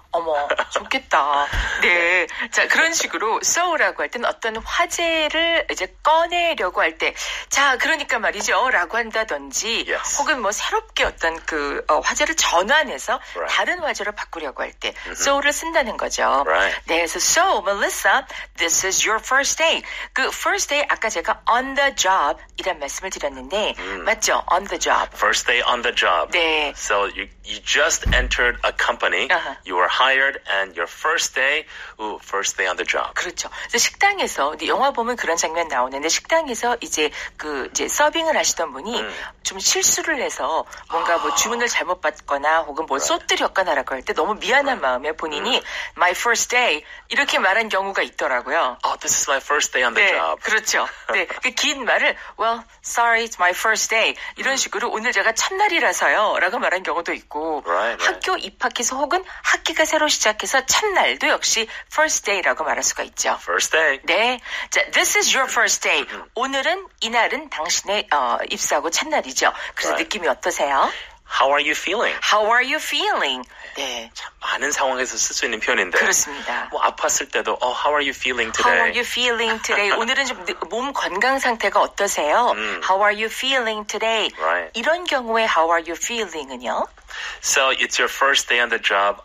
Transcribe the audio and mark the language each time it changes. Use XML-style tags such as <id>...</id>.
<ko>어머, 좋겠다. 네. 자, 그런 식으로 so라고 할 땐 어떤 화제를 이제 꺼내려고 할 때 자, 그러니까 말이죠. 라고 한다든지</ko> <en>yes.</en> <ko>혹은 뭐 새롭게 어떤 그 화제를 전환해서</ko> <en>right.</en> <ko>다른 화제로 바꾸려고 할 때 so를 쓴다는 거죠.</ko> <en>Right.</en> <ko>네, 그래서</ko> <en>so, Melissa, this is your first day.</en> <ko>그 first day, 아까 제가 on the job 이란 말씀을 드렸는데 맞죠?</ko> <en>On the job. First day on the job.</en> <ko>네.</ko> <en>So you just entered a company. You were hired and your first day, first day on the job.</en> <ko>그렇죠. 식당에서 영화 보면 그런 장면 나오는데 식당에서 이제 그 이제 서빙을 하시던 분이 좀 실수를 해서 뭔가 뭐 주문을 잘못 받거나 혹은 뭐 쏟드렸거나라고 할 때 너무 미안한 마음에 본인이</ko> <en>my first day</en> <ko>이렇게 말한 경우가 있더라고요.</ko> <en>This is my first day on the job.</en> <ko>네, 그렇죠. 네, 그 긴 말을</ko> <en>well, sorry, it's my first day</en> <ko>이런 식으로 오늘 제가 첫날이라서요라고 말한 경우도 있고</ko> <en>right.</en> <ko>학교 입학해서 혹은 학기가 새로 시작해서 첫날도 역시 first day라고 말할 수가 있죠.</ko> <en>First day. 네. 자, this is your first day.</en> <ko>오늘은 이날은 당신의 입사하고 첫날이죠. 그래서</ko> <en>right.</en> <ko>느낌이 어떠세요?</ko> <en>How are you feeling? How are you feeling? 네.</en> <ko>참 많은 상황에서 쓸 수 있는 표현인데. 그렇습니다.</ko> <en>뭐 아팠을 때도 how are you feeling today? How are you feeling today?</en> <ko>오늘은 좀 몸 건강 상태가 어떠세요?</ko> <en>How are you feeling today? Right.</en> <ko>이런 경우에 how are you feeling은요?</ko> <en>So it's your first day on the job.</en>